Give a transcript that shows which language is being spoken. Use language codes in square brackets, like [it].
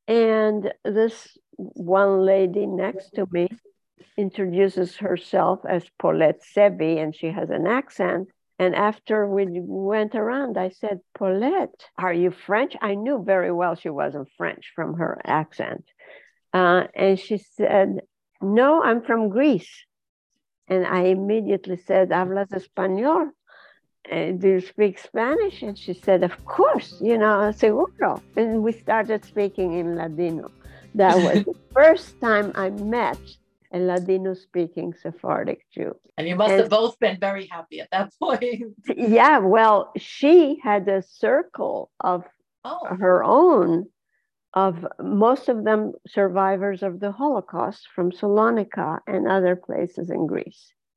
[en] And this one lady next to me introduces herself as Paulette Sevi, and she has an accent. And after we went around, I said, Paulette, are you French? I knew very well she wasn't French from her accent. And she said, no, I'm from Greece. And I immediately said, [es] ¿Hablas español? [en] Do you speak Spanish? And she said, of course, you know, [es] seguro. [en] And we started speaking in Ladino. That was the first time I met a Ladino-speaking Sephardic Jew. And you must have both been very happy at that point. Yeah, well, she had a circle of her own, of most of them survivors of the Holocaust from Salonika and other places in Greece.